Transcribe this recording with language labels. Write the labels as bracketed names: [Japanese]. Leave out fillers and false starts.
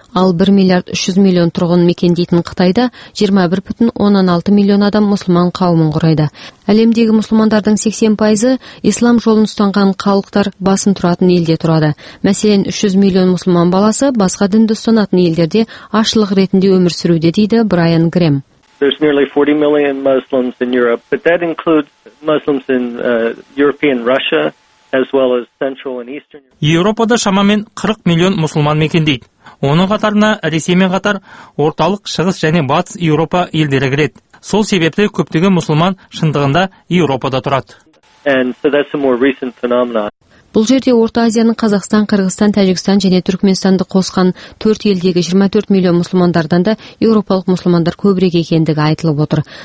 [Kazakh] Ал 1 миллиард 300 миллион тұрғын мекендейтін Қытайда 21.16 миллион адам мұсылман қауымын құрайды. Әлемдегі мұсылмандардың 80% ислам жолын ұстанған халықтар басым тұратын елде тұрады. Мәселен, 300 миллион мұсылман баласы басқа дінді ұстанатын елдерде азшылық ретінде өмір сүруде, дейді Брайан Грэм. [English] There's nearly 40 million Muslims in Europe, but that includes Muslims in European Russia as well as Central and Eastern Europe. [Kazakh] Еуропада шамамен 40 миллион мұсылман мекендейді. Оның қатарына Ресеймен қатар орталық, шығыс және батыс Еуропа елдері кіреді. Сол себепті көптеген мұсылман шындығында Еуропада тұрады. [English] And so that's a more recent phenomenon. [Kazakh] Бұл жерде Орта Азияның Қазақстан, Қырғызстан, Тәжікстан және Түркменстанды қосқан 4 елдегі 24 миллион мұсылмандардан да еуропалық мұсылмандар көбірек екендігі айтылып отыр.